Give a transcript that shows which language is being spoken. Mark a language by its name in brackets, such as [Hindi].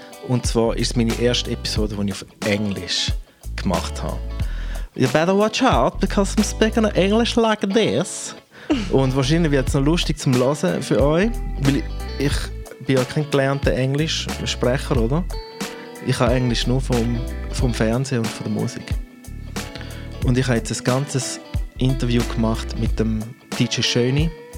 [German] Und zwar ist es meine erste Episode, die ich auf Englisch gemacht habe. [English] You better watch out, because I'm speaking English like this. [German] Und wahrscheinlich wird es noch lustig zum Hören für euch, weil ich bin ja kein gelernter Englischsprecher, oder? Ich habe Englisch nur vom Fernsehen und von der Musik. Und ich habe jetzt ein ganzes Interview gemacht mit dem DJ Schoeny.